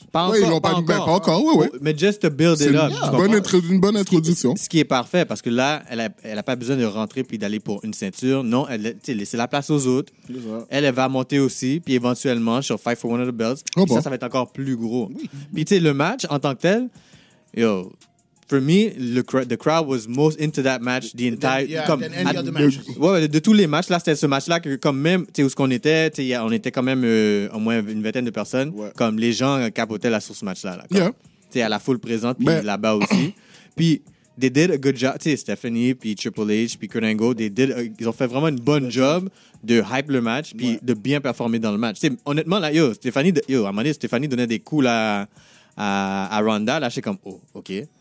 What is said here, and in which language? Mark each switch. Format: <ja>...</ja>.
<fr>Pas encore.</fr> <en>Mais just to build it up.</en> <fr>Une bonne introduction. Ce qui est parfait parce que là, elle a pas besoin de rentrer puis d'aller pour une ceinture. Non, elle laisse la place aux autres. Elle va monter aussi puis éventuellement sur Fight for One of the Belts. Ça va être encore plus gros. Oui. Puis tu sais le match en tant que tel, yo.</fr> <en>For me, the crowd was most into that match the entire...</en> <fr>De tous les matchs, là, c'était ce match-là que comme même, tu sais, où ce qu'on était, on était quand même au moins une vingtaine de personnes, comme les gens capotaient là sur ce match-là. Là, tu sais, à la foule présente, puis là-bas aussi. Puis,</fr> <en>they did a good job,</en> <fr>tu sais, Stephanie, puis Triple H, puis Kurt Angle, ils ont fait vraiment une bonne job de hype le match, puis de bien performer dans le match. Tu sais, honnêtement, là, Stephanie donnait des coups là, à Ronda, là, j'étais comme, oh, OK.</fr>